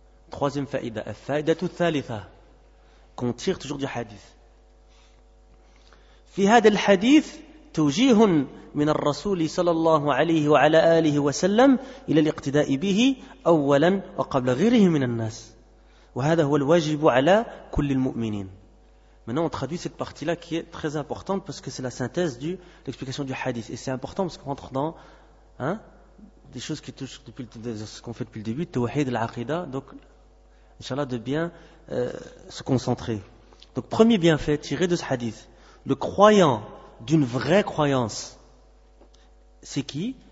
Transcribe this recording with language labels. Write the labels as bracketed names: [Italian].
[French] Troisième فائدة. [Arabic] الفائدة الثالثة. [French] Qu'on tire toujours du hadith. [Arabic] في هذا الحديث توجيه من الرسول صلى الله عليه وعلى آله وسلم إلى الاقتداء به أولا وقبل غيره من الناس. وهذا هو الواجب على كل المؤمنين. [French] Maintenant, on traduit cette partie-là qui est très importante parce que c'est la synthèse de l'explication du hadith. Et c'est important parce qu'on rentre dans hein, des choses qui touchent depuis ce qu'on fait depuis le début, Tawhid al-Aqida. Donc, Inch'Allah, de bien se concentrer. Donc, premier bienfait tiré de ce hadith. Le croyant d'une vraie croyance, c'est qui?